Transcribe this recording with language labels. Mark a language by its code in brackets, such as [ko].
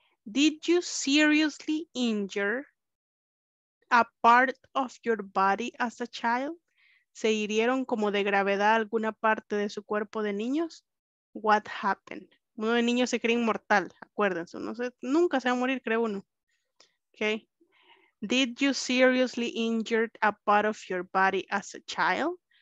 [en] Did you seriously injure a part of your body as a child? [es] ¿Se hirieron como de gravedad alguna parte de su cuerpo de niños? [en] What happened? [es] Uno de niños se cree inmortal, acuérdense. No sé, nunca se va a morir, cree uno. [en] Okay. Did you seriously injure a part of your body as a child?